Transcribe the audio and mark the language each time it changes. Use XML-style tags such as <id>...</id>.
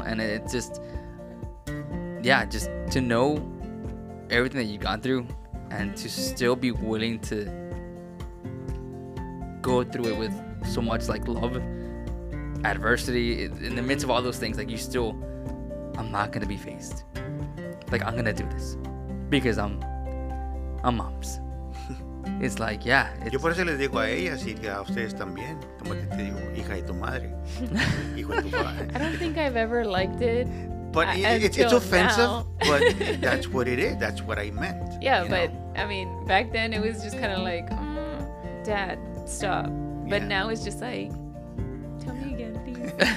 <en>And it's just, yeah, just to know everything that you've gone through and to still be willing to go through it with so much, like, love, adversity, in the midst of all those things, like, you still, I'm not going to be faced. Like, I'm gonna do this because I'm moms. It's like, yeah.</en> <es>Yo por eso les digo a ellas y a ustedes también. Como que te digo, hija de tu madre. Hijo de tu padre.</es> <en>I don't think I've ever liked it. But it's offensive, but that's what it is. That's what I meant. Yeah, but know? I mean, back then it was just kind of like, dad, stop. But yeah. Now it's just like, tell me again, please.</en>